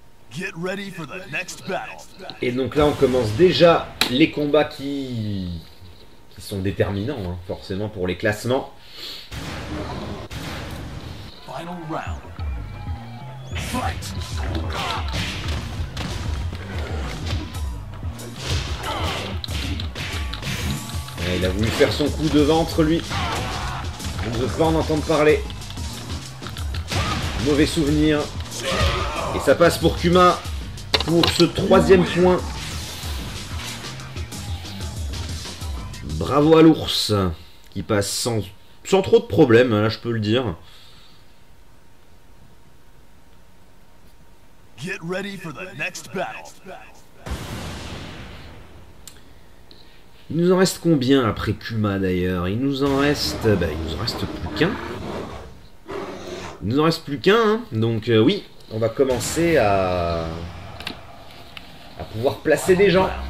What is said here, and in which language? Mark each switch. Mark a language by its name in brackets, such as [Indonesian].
[English] Get ready for the next battle. [French] Et donc là, on commence déjà les combats qui sont déterminants, hein, forcément, pour les classements. [English] Final round. Fight. [French] Il a voulu faire son coup de ventre, lui. On ne veut pas en entendre parler. Mauvais souvenir. Et ça passe pour Kuma pour ce troisième point. Bravo à l'ours qui passe sans trop de problèmes, là, je peux le dire. [English] Get ready for the next battle. [French] Il nous en reste combien après Kuma d'ailleurs? Il nous en reste. Bah, il nous en reste plus qu'un. Il nous en reste plus qu'un, hein. Donc, oui, on va commencer à pouvoir placer des gens.